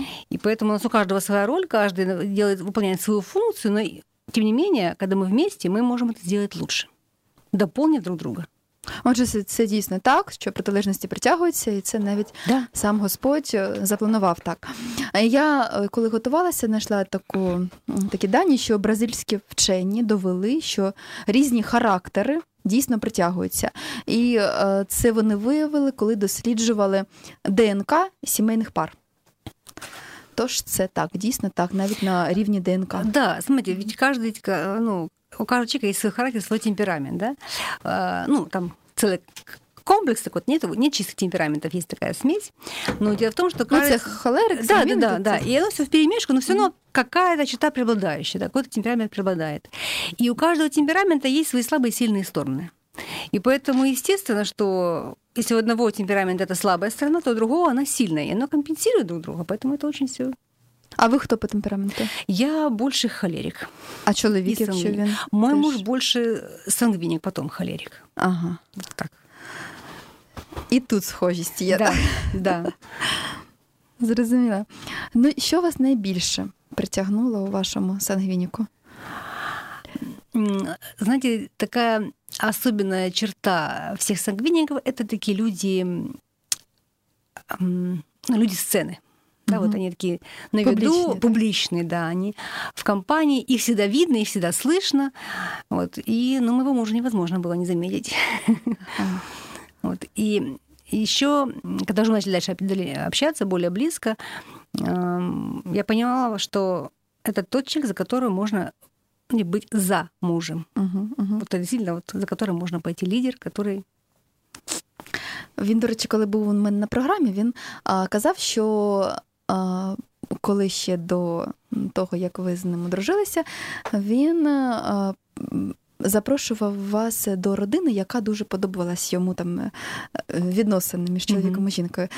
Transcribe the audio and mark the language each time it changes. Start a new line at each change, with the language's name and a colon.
Russian: И поэтому у нас у каждого своя роль, каждый делает, выполняет свою функцию, но, тем не менее, когда мы вместе, мы можем это сделать лучше, дополнив друг друга.
Ukrainian: Отже, це дійсно так, що протилежності притягуються, і це навіть
Russian: да.
Ukrainian: сам Господь запланував так. Я, коли готувалася, знайшла такі дані, що бразильські вчені довели, що різні характери дійсно притягуються. І це вони виявили, коли досліджували ДНК сімейних пар. Тож це так, дійсно так, навіть на рівні ДНК. Так,
Russian: да, смотрите, ведь каждый, ну... У каждого человека есть свой характер, свой темперамент, да? Ну, там целый комплекс такой, нет чистых темпераментов, есть такая смесь. Но дело в том, что... Кажется... Ну, это холерик, да, да, да, да. И оно все вперемешку, но все равно какая-то черта преобладающая, да? Какой-то темперамент преобладает. И у каждого темперамента есть свои слабые и сильные стороны. И поэтому, естественно, что если у одного темперамента это слабая сторона, то у другого она сильная, и оно компенсирует друг друга, поэтому это очень все...
Ukrainian: А ви хто по темпераменту? Я більше холерик. А чоловік, якщо він? Мой теж... муж більше сангвінік, потім холерик. Ага. Так. І тут схожість є.
Russian: Да. Да.
Ukrainian: Зрозуміла. Ну, що вас найбільше притягнуло у вашому сангвініку? Знаєте, така особлива черта всіх сангвініків – це такі люди, люди сцени.
Russian: Да, угу. Вот они такие на виду, публичные, да, они в компании, их всегда видно, их всегда слышно, вот, и, ну, моего мужа невозможно было не заметить. Вот, и еще, когда уже начали дальше общаться более близко, я понимала, что это тот человек, за которого можно быть за мужем, вот, действительно, вот, за которым можно пойти лидер, который...
Ukrainian: Він, до речі, коли був у мене на програмі, він казав, що... коли ще до того, як ви з ним одружилися, він запрошував вас до родини, яка дуже подобалась йому там відносини між чоловіком і жінкою.